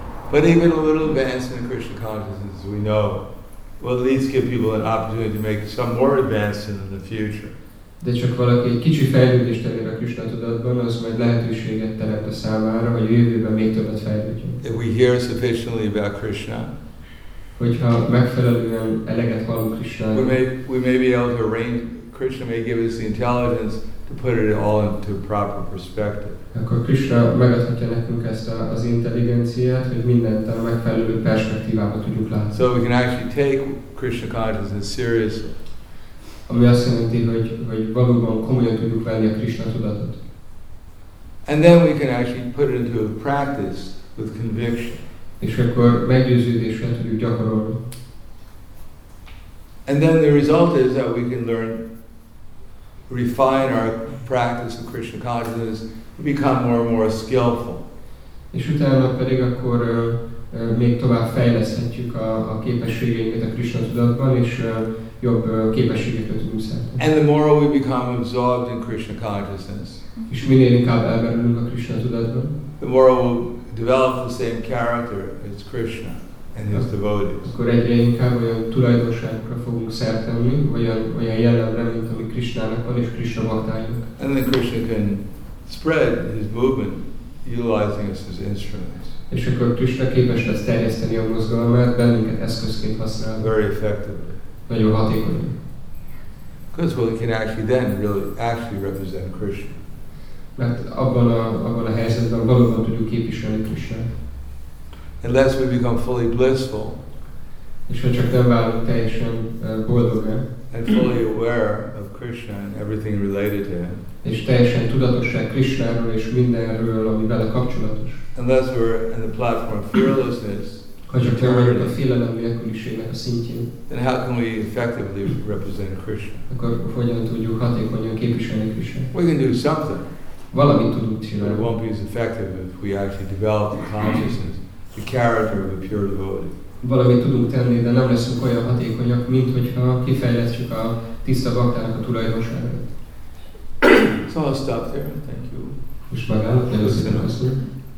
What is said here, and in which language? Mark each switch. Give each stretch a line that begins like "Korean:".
English: But even a little advancement in Krishna consciousness, as we know, will at least give people an opportunity to make some more advancement in the future.
Hungarian: De csak valaki egy kicsi fejlődést tenni a Krishna tudatban, az majd lehetőséget teremt a számára, hogy jövőben még többet fejlődjön.
English: If we hear sufficiently about Krishna,
Hungarian: hogyha megfelelően eleget hallunk Krishnára,
English: we may be able to arrange, Krishna may give us the intelligence to put it all into proper perspective.
Hungarian: Akkor Krishna megadhatja nekünk ezt az intelligenciát, hogy mindent a megfelelő perspektívába tudjuk látni.
English: So we can actually take Krishna consciousness seriously.
Hungarian: Ami azt jelenti, hogy valóban komolyan tudjuk venni a Krishna tudatot.
English: And then we can actually put it into practice with conviction.
Hungarian: És akkor meggyőződéssel tudjuk gyakorolni.
English: And then the result is that we can learn, refine our practice of Krishna consciousness, become more and more skillful.
Hungarian: És utána pedig akkor még tovább fejleszthetjük a képességeinket a Krishna tudatban, és jobb képességeket tudunk szerezni.
English: And the more we become absorbed in Krishna consciousness,
Hungarian: és minél inkább elmerülünk a Krishna tudatban,
English: the more we'll develop the same character as Krishna and his devotees.
Hungarian: Akkor egyre inkább olyan tulajdonságokra fogunk szertenni, olyan jellemre, mint ami Krishnának van és Krishna baktáinak.
English: And then Krishna can spread his movement utilizing us as instruments.
Hungarian: És akkor Krishna képes lesz terjeszteni a mozgalmát, bennünket eszközként használni.
English: Very effectively.
Hungarian: Nagyon hatékonyan.
English: Because we can actually then really actually represent Krishna.
Hungarian: Mert abban a helyzetben valóban tudjuk képviselni Krishnát.
English: Unless we become fully blissful,
Hungarian: és ha csak nem válunk teljesen boldogra,
English: and fully aware of Krishna and everything related to him,
Hungarian: és teljesen tudatosság Krishnáról és mindenről, ami vele kapcsolatos,
English: unless we're in the platform of fearlessness,
Hungarian: ha csak nem vagyunk a félelem nélküliségnek a szintjén,
English: then how can we effectively represent Krishna?
Hungarian: Akkor hogyan tudjuk hatékonyan képviselni Krishnát?
English: We can do something.
Hungarian: Valamit tudunk csinálni.
English: But it won't be as effective if we actually develop the consciousness, the character of a pure devotee.
Hungarian: Valamit tudunk tenni, de nem leszünk olyan hatékonyak, mint hogyha kifejlesztjük a tiszta baktának a tulajdonságot.
English: So I'll stop there. Thank you.
Hungarian: És megállok. Nagyon szépen köszönöm.